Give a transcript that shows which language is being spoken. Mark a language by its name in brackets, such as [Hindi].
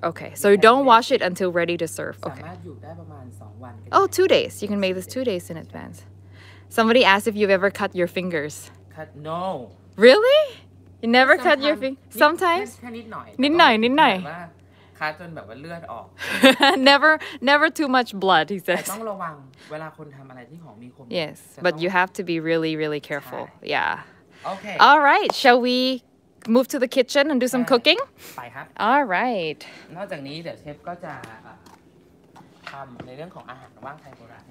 [English] Okay, so don't wash it until ready to serve. Okay. Oh, 2 days. You can make this 2 days in advance. Somebody asked if you've ever cut your fingers. Cut? No. Really? You never cut your fingers? Sometimes? [Thai] นิดหน่อย คาจนแบบว่าเลือดออก [English] never too much blood he says [Thai] ต้องระวังเวลาคนทำอะไรที่ของมีคม [English] yes but you have to be really really careful yeah okay all right shall we move to the kitchen and do some cooking [Thai] ไปครับ [English] all right [Thai] นอกจากนี้เดี๋ยวเชฟก็จะทำในเรื่องของอาหารว่างไทยโบราณ